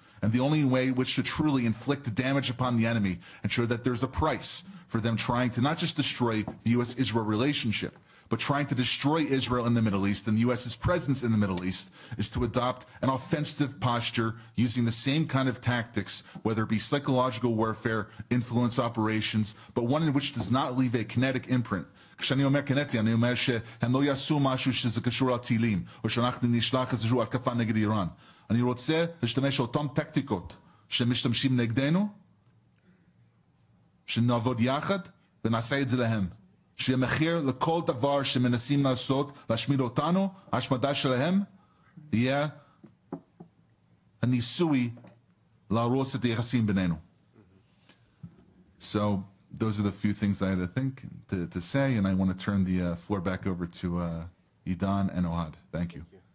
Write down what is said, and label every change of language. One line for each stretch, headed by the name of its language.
English: And the only way which to truly inflict damage upon the enemy and show that there's a price for them trying to not just destroy the U.S.-Israel relationship, but trying to destroy Israel in the Middle East and the U.S.'s presence in the Middle East is to adopt an offensive posture using the same kind of tactics, whether it be psychological warfare, influence operations, but one in which does not leave a kinetic imprint.
Hebrew: כשאני אומר קינטי, אני אומר שהם לא יעשו משהו שזה קשור לטילים, או שאנחנו נשלח איזשהו התקפה נגד איראן. אני רוצה להשתמש אותם טקטיקות שמשתמשים נגדנו, שנעבוד יחד ונעשה את זה להם. שיהיה מחיר לכל דבר שמנסים לעשות, להשמיד אותנו, ההשמדה שלהם, יהיה הניסוי להרוס את היחסים בינינו.
English: So those are the few things I had to think to say, and I want to turn the floor back over to Idan and Ohad. Thank you.